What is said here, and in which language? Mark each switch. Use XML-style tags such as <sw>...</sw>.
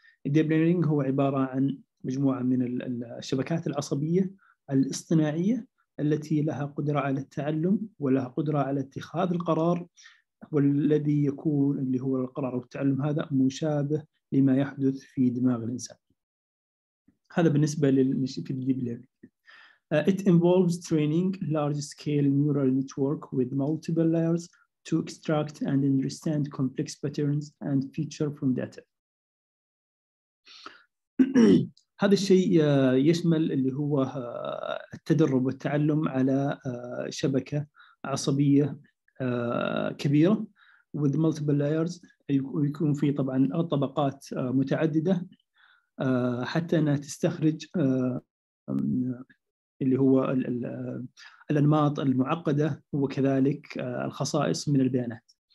<ar>الديب ليرنينج هو عبارة عن مجموعة من الشبكات العصبية الاصطناعية التي لها قدرة على التعلم ولها قدرة على اتخاذ القرار، والذي يكون اللي هو القرار والتعلم هذا مشابه لما يحدث في دماغ الإنسان. هذا بالنسبة للديب ليرنينج.</ar> <en>It involves training large-scale neural network with multiple layers to extract and understand complex patterns and feature from data.</en> <ar>هذا الشيء يشمل اللي هو التدرب والتعلم على شبكة عصبية كبيرة</ar> <en>with multiple layers,</en> <ar>ويكون في طبعا طبقات متعددة حتى انها تستخرج اللي هو الانماط المعقدة وكذلك الخصائص من البيانات.</ar>